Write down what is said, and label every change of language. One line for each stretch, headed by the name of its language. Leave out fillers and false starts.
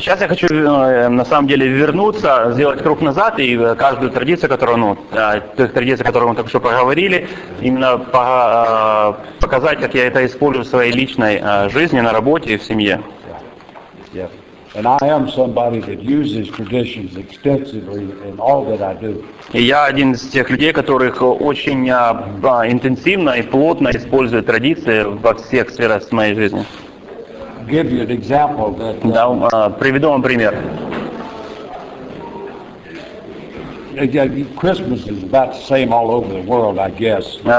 Russian: Сейчас я хочу на самом деле вернуться, сделать круг назад и каждую традицию, которую мы так что поговорили, именно показать, как я это использую в своей личной жизни, на работе и в семье.
English: Yeah. And I am somebody that uses traditions extensively in all that I do.
Russian: И я один из тех людей, которых очень интенсивно и плотно использует традиции во всех сферах моей жизни.
English: Give you an example that.
Russian: Приведу вам пример.
English: Christmas is about the same all over the world, I guess.